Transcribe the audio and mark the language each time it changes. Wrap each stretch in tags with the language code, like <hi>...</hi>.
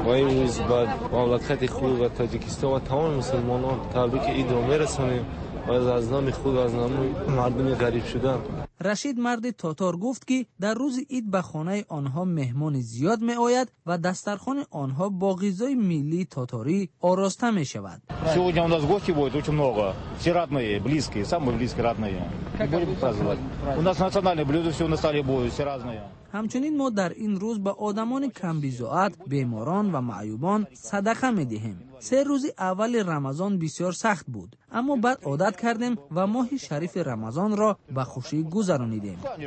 <fa>با این روز با مملکت خود و تاجیکستان و تمام مسلمانان تبریک عید را میرسانیم و از نام خود و از نام مردم غریب شدن. رشید مرد تاتار گفت که در روز عید به خانه آنها مهمان زیاد می آید و دسترخوان آنها با غذای ملی تاتاری آراسته می شود. امروز هم از گوشتی بود، خیلی</fa> <ru>много. Все родные, близкие, самые близкие родные. Будем праздновать. У нас национальные блюда все на столе будут, все разные.</ru> <fa>همچنین ما در این روز به آدمان کم بیزاعت، بیماران و معیوبان صدقه می دهیم. سه روز اول رمضان بسیار سخت بود، اما بعد عادت کردیم و ماه شریف رمضان را به خوشی گذرانیدیم.</fa>